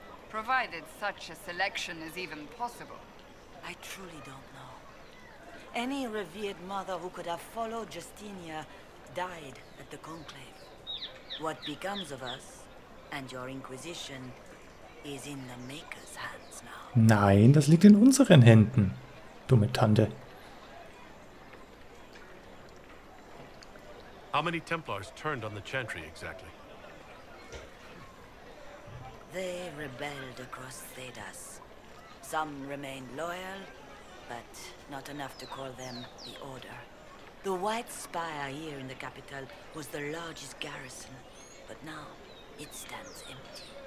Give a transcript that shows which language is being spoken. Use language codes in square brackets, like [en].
[en] Provided such a selection is even possible. I truly don't know. Any revered mother who could have followed Justinia died at the conclave. What becomes of us and your Inquisition is in the Maker's hands now. [de] Nein, das liegt in unseren Händen, dumme Tante. [en] How many Templars turned on the Chantry exactly? They rebelled across Thedas. Some remained loyal, but not enough to call them the Order. The White Spire here in the capital was the largest garrison, but now it stands empty.